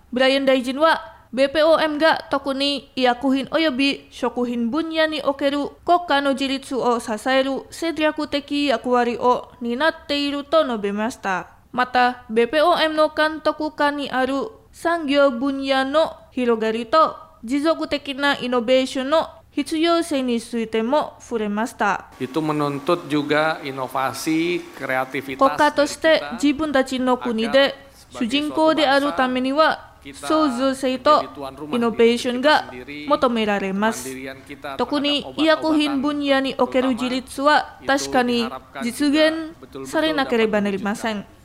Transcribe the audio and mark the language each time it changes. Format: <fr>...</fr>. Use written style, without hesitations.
<ja>ブライアン大臣は BPOM が特に医薬品及び食品分野における国家の自立を支える戦略的役割を担っていると述べました。また BPOM の監督下にある産業分野の広がりと持続的なイノベーションの必要性についても触れました。</ja> <id>Itu menuntut juga inovasi, kreativitas.</id> <ja>国家として自分たちの国で主人公であるためには創造性とイノベーションが求められます。特に医薬品分野における自立は確かに実現されなければなりません。</ja>